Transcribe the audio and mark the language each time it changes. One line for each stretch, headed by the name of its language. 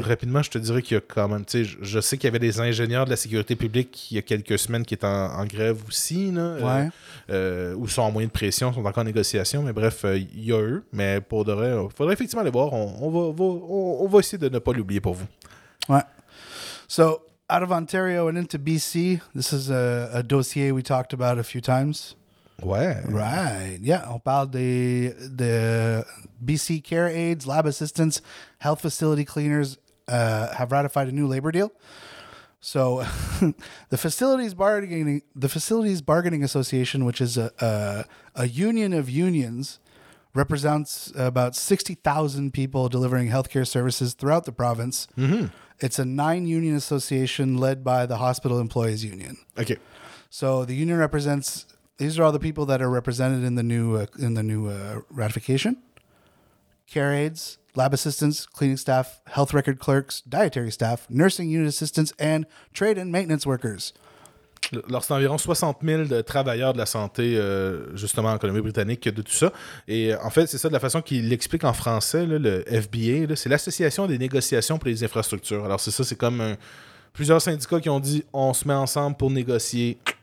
French: Rapidement, je te dirais qu'il y a quand même... Je sais qu'il y avait des ingénieurs de la sécurité publique il y a quelques semaines qui étaient en grève aussi, là, ouais. Ou sont en moyen de pression, sont encore en négociation, mais bref, il y a eux. Mais pour de vrai, faudrait effectivement aller voir. On va essayer de ne pas l'oublier pour vous. Ouais.
English: So, out of Ontario and into BC, this is a dossier we talked about a few times.
French: Ouais.
English: Right. Yeah,
French: on parle des
English: BC Care Aides, Lab Assistants, Health Facility Cleaners have ratified a new labor deal. So the Facilities Bargaining Association, which is a union of unions, represents about 60,000 people delivering healthcare services throughout the province. Mm-hmm. It's a 9-union association led by the Hospital Employees Union. Okay. So the union represents... These are all the people that are represented in the new ratification. Care aides, lab assistants, cleaning staff, health record clerks, dietary staff, nursing unit assistants, and trade and maintenance workers.
French: Alors, c'est environ 60 000 de travailleurs de la santé, justement, en Colombie-Britannique, de tout ça. Et en fait, c'est ça, de la façon qu'il l'explique en français, là, le FBA, là, c'est l'Association des négociations pour les infrastructures. Alors, c'est ça, c'est comme plusieurs syndicats qui ont dit « on se met ensemble pour négocier ».